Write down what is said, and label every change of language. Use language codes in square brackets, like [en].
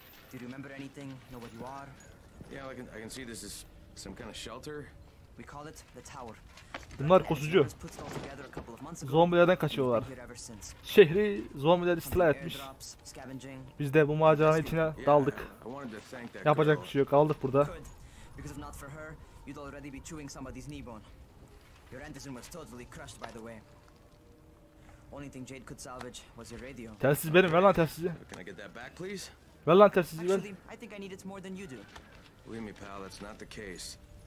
[en] Do you remember anything? Know what you are? Yeah, I can see this is some kind of shelter. We call it the tower. [tr] Bunlar koşucu. Zombilerden kaçıyorlar. Şehri zombiler istila etmiş. Biz de bu maceranın içine daldık. Yapacak bir şey yok, kaldık burada. [en] Because if not for her, you'd already be chewing somebody's knee bone. Your antizin was totally crushed, by the way. Only thing Jade could salvage was your radio. [tr] Telsiz benim, ver lan telsizi. [en] Can I get that back, please? [tr] Ver lan telsizi, ver. [en] I think I need it more than you do. Believe me, pal, that's not the case.